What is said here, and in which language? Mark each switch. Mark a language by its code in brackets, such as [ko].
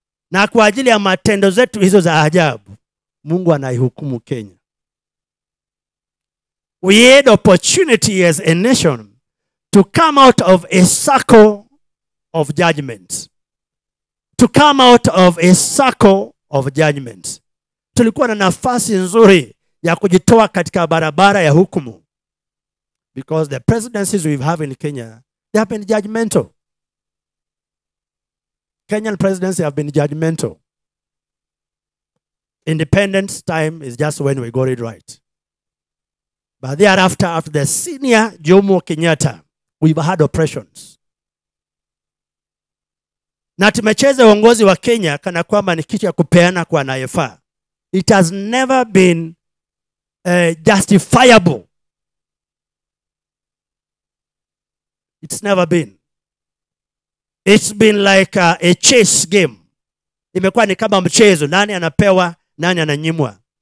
[sw] Na kwa ajili ya matendo zetu hizo za ajabu, Mungu anaihukumu Kenya. [en] We had opportunity as a nation to come out of a circle of judgment. To come out of a circle of judgment. [sw] Tulikuwa na nafasi nzuri ya kujitoa katika barabara ya hukumu. [en] Because the presidencies we have in Kenya, they have been judgmental. Kenyan presidency have been judgmental. independence time is just when we got it right. But thereafter, after the senior Jomo Kenyatta, we've had oppressions. [sw] Na tumecheza uongozi wa Kenya kana kwamba ni kitu ya kupeana kwa naifa. [en] It has never been justifiable. It's never been. It's been like a chess game. [sw] Imekuwa ni kama mchezo. Nani anapewa, nani ananyimwa.